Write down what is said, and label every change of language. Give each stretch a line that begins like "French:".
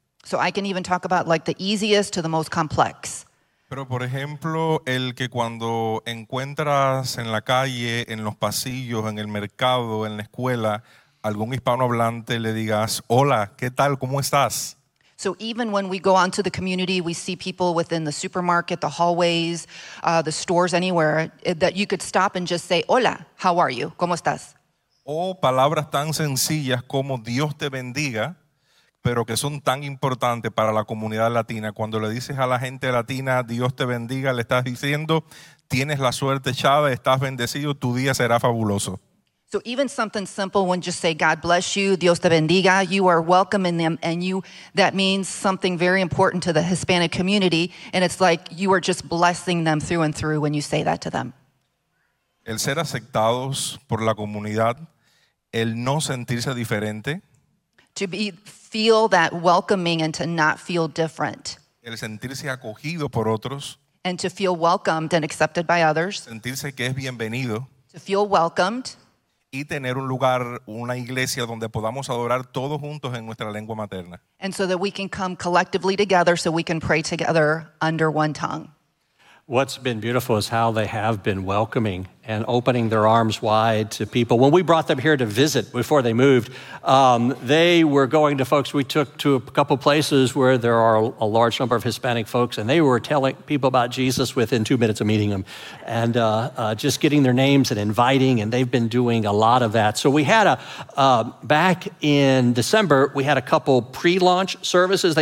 English: So I can even talk about like the easiest to the most complex.
Spanish: Pero por ejemplo, el que cuando encuentras en la calle, en los pasillos, en el mercado, en la escuela, algún hispanohablante le digas, hola, ¿qué tal? ¿Cómo estás?
English: So even when we go onto the community, we see people within the supermarket, the hallways, the stores, anywhere, that you could stop and just say, hola, how are you?
Spanish: ¿Cómo estás? O palabras tan sencillas como Dios te bendiga, pero que son tan importantes para la comunidad latina. Cuando le dices a la gente latina, Dios te bendiga, le estás diciendo, tienes la suerte echada, estás bendecido, tu día será fabuloso.
English: So even something simple, when you say, God bless you,
Spanish: Dios te bendiga,
English: you are welcoming them, and you, that means something very important to the Hispanic community, and it's like you are just blessing them through and through when you say that to them.
Spanish: El ser aceptados por la comunidad, el no sentirse diferente.
English: To be, feel that welcoming and to not feel different.
Spanish: El sentirse acogido por otros.
English: And to feel welcomed and accepted by others.
Spanish: Sentirse que es bienvenido.
English: To feel welcomed.
Spanish: Y tener un lugar, una iglesia donde podamos adorar todos juntos en nuestra lengua materna.
English: And so that we can come collectively together so we can pray together under one tongue. What's been beautiful is how they have been welcoming and opening their arms wide to people. When we brought them here to visit before they moved, they were going to folks. We took to a couple places where there are a large number of Hispanic folks, and they were telling people about Jesus within 2 minutes of meeting them and just getting their names and inviting, and they've been doing a lot of that. So we had back in December, we had a couple pre-launch services.